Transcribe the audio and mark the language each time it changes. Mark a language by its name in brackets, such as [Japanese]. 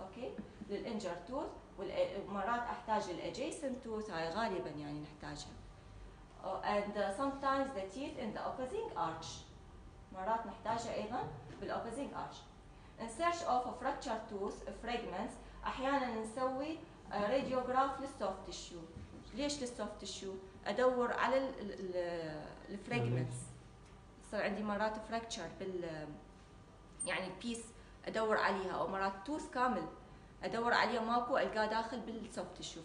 [Arabic] أوكي للإنجر توث، ومرات أحتاج الأجيسن توث هاي غالبا يعني نحتاجها. [English] And sometimes the teeth in the opposing arch. [Arabic] مرات نحتاجها أيضا [English] بالopposing arch. In search of a fractured tooth fragments. [Arabic] أحيانا نسوي radiograph للsoft tissue. ليش للsoft tissue؟ أدور على ال fragments. صار عندي مرات fracture بال يعني piece أدور عليها، أو مرات tooth كامل أدور عليها ماكو ألقاه داخل بالsoft tissue.